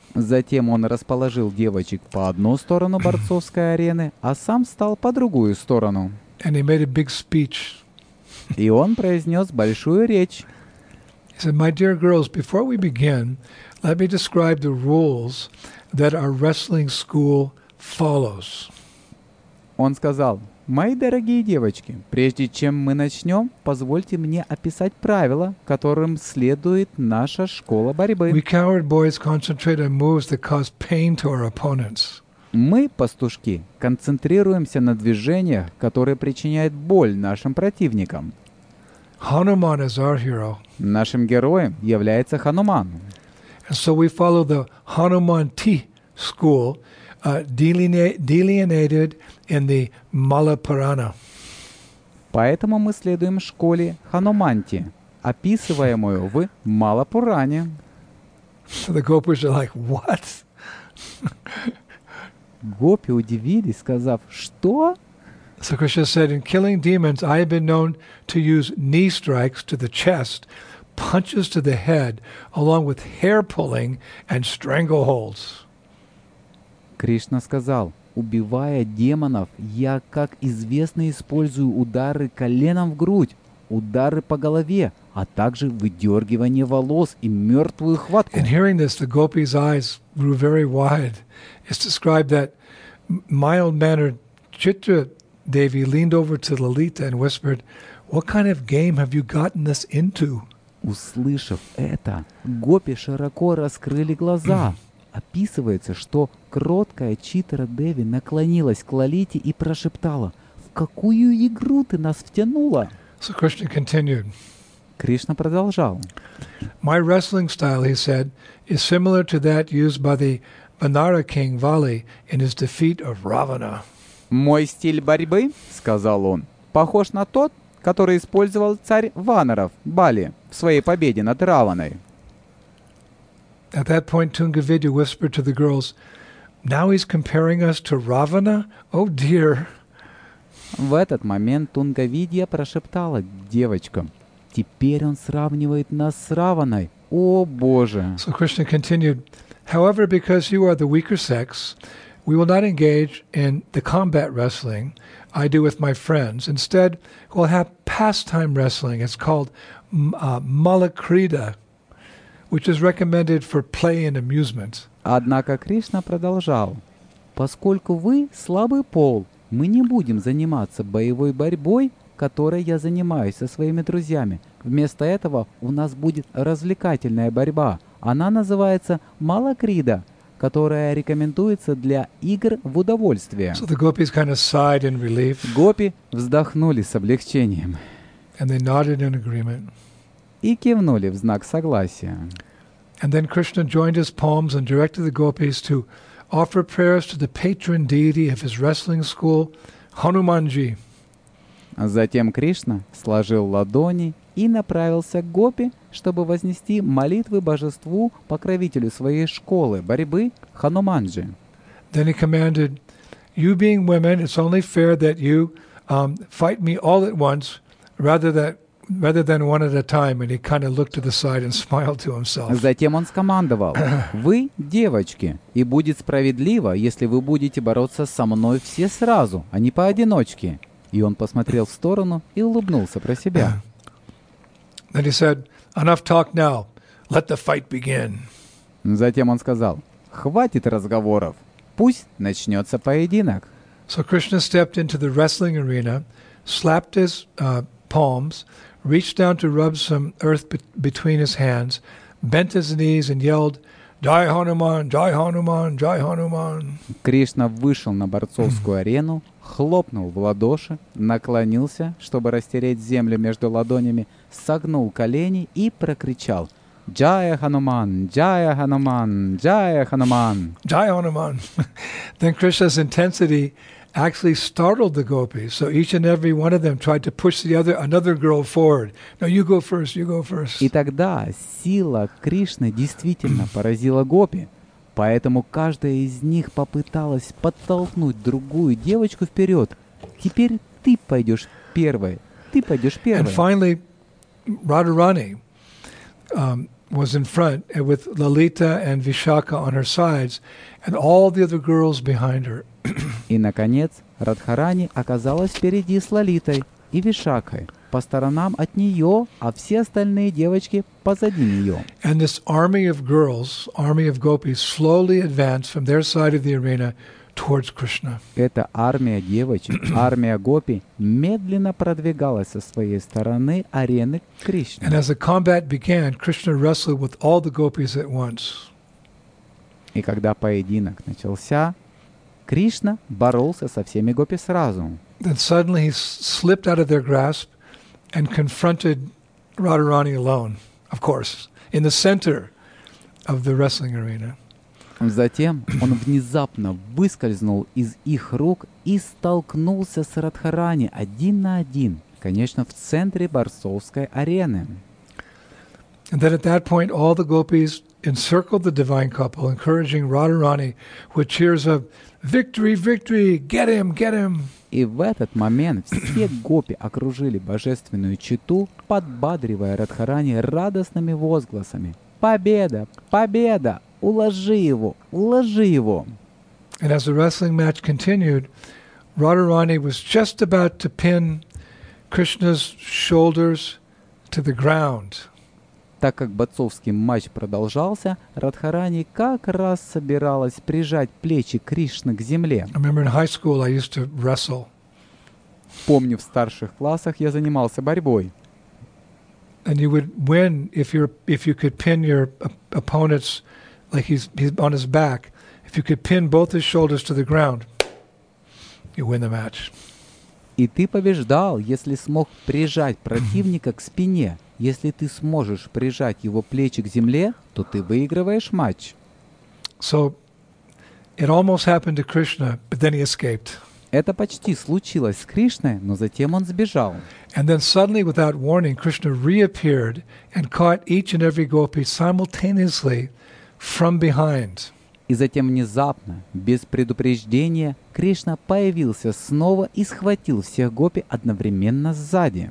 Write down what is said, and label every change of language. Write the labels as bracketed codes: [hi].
[ru] Затем он расположил девочек по одну сторону борцовской арены, а сам встал по другую сторону. [en] And he made a big speech. [ru] И он произнес большую речь. [en] He said, "My dear girls, before we begin, let me describe the rules that our wrestling school follows." [ru] Он сказал: «Мои дорогие девочки, прежде чем мы начнем, позвольте мне описать правила, которым следует наша школа борьбы». [en] We coward boys concentrate on moves that cause pain to our opponents. [ru] Мы, пастушки, концентрируемся на движениях, которые причиняют боль нашим противникам. [en] Hanuman is our hero. [ru] Нашим героем является Хануман. [en] And so we follow the Hanumanti school, delineated in the Malapurana. [ru] Поэтому мы следуем школе Хануманти, описываемую в Малапуране. [en] So the gopis are like, what? [ru] Гопи удивились, сказав, что? [en] So Krishna said, in killing demons, I have been known to use knee strikes to the chest, punches to the head, along with hair pulling and strangle holds. [ru] Кришна сказал: убивая демонов, я, как известно, использую удары коленом в грудь, удары по голове, а также выдергивание волос и мертвую хватку. [en] And hearing this, the gopis' eyes grew very wide. It's described that mild-mannered Chitra Devi leaned over to Lalita and whispered, "What kind of game have you gotten us into?" [ru] Услышав это, гопи широко раскрыли глаза. Описывается, что кроткая Читра Деви наклонилась к Лалите и прошептала: «В какую игру ты нас втянула?» [en] So Krishna continued. [ru] Кришна продолжал. [en] My wrestling style, he said, is similar to that used by the Vanara king Vali in his defeat of Ravana. [ru] Мой стиль борьбы, сказал он, похож на тот, который использовал царь Ванаров Бали в своей победе над Раваной. [en] At that point, Tungavidya whispered to the girls, "Now he's comparing us to Ravana? Oh dear!" [ru] В этот момент Тунгавидья прошептала девочкам: "Теперь он сравнивает нас с Раваной. О боже!" [en] So Krishna continued, "However, because you are the weaker sex, we will not engage in the combat wrestling I do with my friends. Instead, we'll have pastime wrestling. It's called Malakrida, which is recommended for play and amusement." [ru] Однако Кришна продолжал: "Поскольку вы слабый пол, мы не будем заниматься боевой борьбой, которой я занимаюсь со своими друзьями. Вместо этого у нас будет развлекательная борьба. Она называется Малакрида, которая рекомендуется для игр в удовольствие." [en] So the gopis kind of sighed in relief. [ru] Гопи вздохнули с облегчением. [en] And they nodded in agreement. [ru] И кивнули в знак согласия. [en] And then Krishna joined his palms and directed the gopis to offer prayers to the patron deity of his wrestling school, Hanumanji. [ru] Затем Кришна сложил ладони и направился к гопи, чтобы вознести молитвы божеству, покровителю своей школы борьбы, Хануманджи. [en] Then he commanded, "You being women, it's only fair that you fight me all at once, rather than one at a time." And he kind of looked to the side and smiled to himself. [ru] Затем он скомандовал: "Вы, девочки, и будет справедливо, если вы будете бороться со мной все сразу, а не поодиночке." И он посмотрел в сторону и улыбнулся про себя. [en] Then he said, "Enough talk now. Let the fight begin." [ru] Затем он сказал: "Хватит разговоров. Пусть начнется поединок." [en] So Krishna stepped into the wrestling arena, slapped his palms, reached down to rub some earth between his hands, bent his knees and yelled, [hi] "Jai Hanuman, Jai Hanuman, [en] Jai Hanuman." [ru] Кришна вышел на борцовскую арену, хлопнул в ладоши, наклонился, чтобы растереть землю между ладонями, согнул колени и прокричал: [hi] "Jai Hanuman, Jai Hanuman, [ru] Jai Hanuman." [hi] Jai Hanuman. [en] Then Krishna's intensity actually startled the gopis, so each and every one of them tried to push another girl forward. "No, you go first, you go first." [ru] И тогда сила Кришны действительно поразила гопи, поэтому каждая из них попыталась подтолкнуть другую девочку вперед. "Теперь ты пойдешь первой, ты пойдешь первой." [en] And finally, Radharani was in front with Lalita and Vishakha on her sides and all the other girls behind her. [ru] И, наконец, Радхарани оказалась впереди с Лалитой и Вишакхой, по сторонам от нее, а все остальные девочки позади нее. [en] And this army of girls, army of gopis, slowly advanced from their side of the arena towards Krishna. [ru] Эта армия девочек, армия гопи, медленно продвигалась со своей стороны арены к Кришне. [en] And as the combat began, Krishna wrestled with all the gopis at once. [ru] И когда поединок начался, Кришна боролся со всеми гопи сразу. [en] Then suddenly he slipped out of their grasp and confronted Radharani alone, of course, in the center of the wrestling arena. [ru] Затем он внезапно выскользнул из их рук и столкнулся с Радхарани один на один, конечно, в центре борцовской арены. [en] And then at that point all the gopis encircled the divine couple, encouraging Radharani with cheers of "Victory, victory, get him, get him." [ru] И в этот момент все гопи окружили божественную чету, подбадривая Радхарани радостными возгласами: "Победа, победа, уложи его, уложи его." [en] And as the wrestling match continued, Radharani was just about to pin Krishna's shoulders to the ground. [ru] Так как боцовский матч продолжался, Радхарани как раз собиралась прижать плечи Кришны к земле. [en] I remember in high school I used to wrestle. [ru] Помню, в старших классах я занимался борьбой. [en] And you would win if you could pin your opponents like he's on his back. If you could pin both his shoulders to the ground, you win the match. [ru] И ты побеждал, если смог прижать противника к спине. Если ты сможешь прижать его плечи к земле, то ты выигрываешь матч. [en] So, it almost happened to Krishna, but then he escaped. [ru] Это почти случилось с Кришной, но затем он сбежал. [en] And then suddenly, without warning, Krishna reappeared and caught each and every gopi simultaneously from behind. [ru] И затем внезапно, без предупреждения, Кришна появился снова и схватил всех гопи одновременно сзади.